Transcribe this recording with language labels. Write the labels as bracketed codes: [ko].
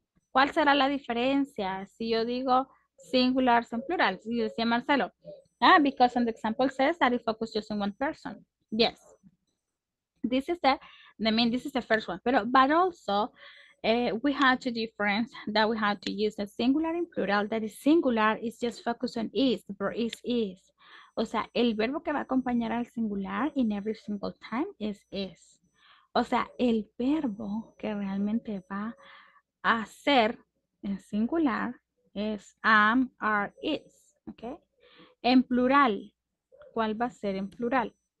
[es] ¿Cuál será la diferencia si yo digo singular en plural? Y decía Marcelo, ah, [en] because in the example says that it focuses just on one person. Yes. This is the, I mean, this is the first one. Pero, but also, we have to difference that we have to use the singular and plural, that is singular, is just focused on is, for is. [es] O sea, el verbo que va a acompañar al singular [en] in every single time is is. [es] O sea, el verbo que realmente va a ser en singular es am, are, is, ¿ok? En plural, ¿cuál va a ser en plural?